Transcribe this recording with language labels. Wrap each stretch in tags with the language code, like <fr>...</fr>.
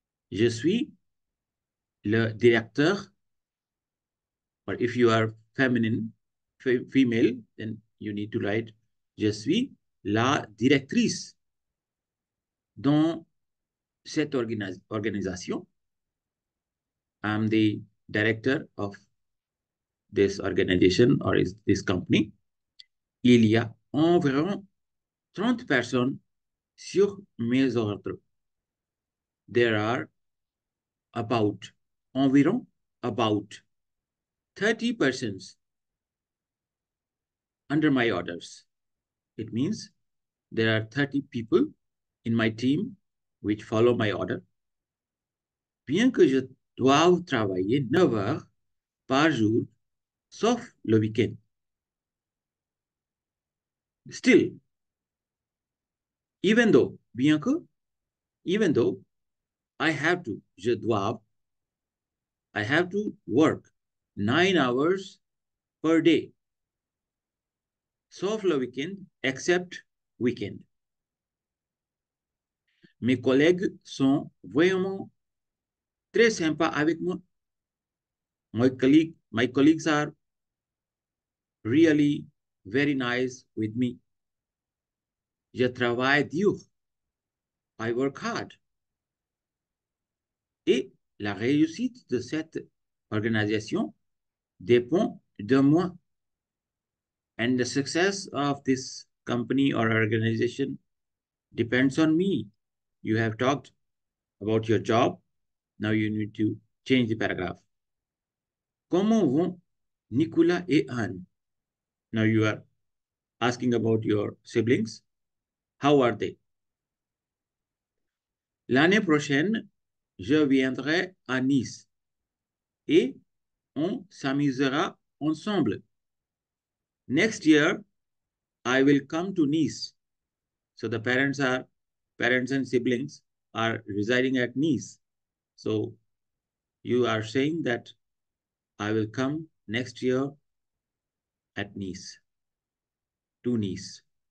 <fr>Je suis le directeur,</fr> <en>or if you are feminine, female, then you need to write,</en> <fr>je suis la directrice dans cette organisation.</fr> <en>I'm the director of this organization or is this company.</en> <fr>Il y a environ 30 personnes sur mes ordres.</fr> <en>There are about 30 persons under my orders. It means there are 30 people in my team, which follow my order.</en> <fr>Bien que je doive travailler 9 heures par jour, sauf le week-end.</fr> <en>Still, even though, I have to work 9 hours per day,</en> <fr>sauf le week-end,</fr> <en>except weekend.</en> <fr>Mes collègues sont vraiment très sympas avec moi.</fr> <en>My colleagues are really very nice with me.</en> <fr>Je travaille dur.</fr> <en>I work hard.</en> <fr>Et la réussite de cette organisation dépend de moi.</fr> <en>And the success of this company or organization depends on me. You have talked about your job. Now you need to change the paragraph.</en> <fr>Comment vont Nicolas et Anne?</fr> <en>Now you are asking about your siblings. How are they?</en> <fr>L'année prochaine, je viendrai à Nice et on s'amusera ensemble.</fr> <en>Next year, I will come to Nice. So the parents and siblings are residing at Nice. So you are saying that I will come next year at Nice, to Nice.</en>